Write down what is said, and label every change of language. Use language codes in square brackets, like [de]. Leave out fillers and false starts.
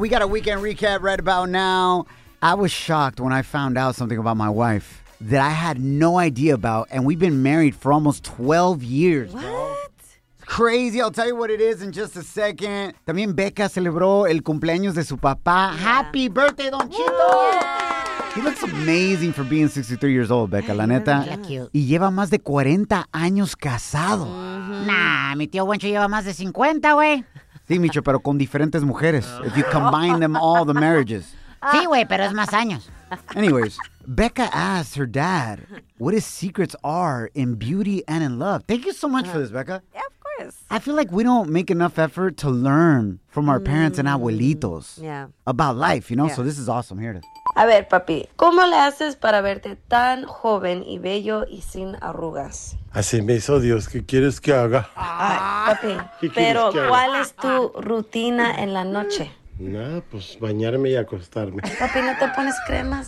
[en] We got a weekend recap right about now. I was shocked when I found out something about my wife that I had no idea about, and we've been married for almost 12 years, what? Bro. It's crazy. I'll tell you what it is in just a second. [es] También Becca celebró el cumpleaños de su papá. [en] Yeah. Happy birthday, Don Chito. He looks amazing for being 63 years old, Becca, [es] la neta. [en] Cute. [es] Y lleva más de 40 años casado. Mm-hmm. Nah, mi tío Wencho lleva más de 50, güey. Sí, Micho, pero con diferentes mujeres. [en] If you combine them all, the marriages. [es] Sí, güey, pero es más años. [en] Anyways, Becca asked her dad what his secrets are in beauty and in love. Thank you so much for this, Becca. Yeah, of course. I feel like we don't make enough effort to learn from our parents and abuelitos about life, you know? Yeah. So this is awesome. Here it is. [es] A ver, papi, ¿cómo le haces para verte tan joven y bello y sin arrugas? Así me hizo Dios. ¿Qué quieres que haga? Ay, papi, pero ¿cuál es tu rutina en la noche? Nada, pues bañarme y acostarme. Papi, ¿no te pones cremas?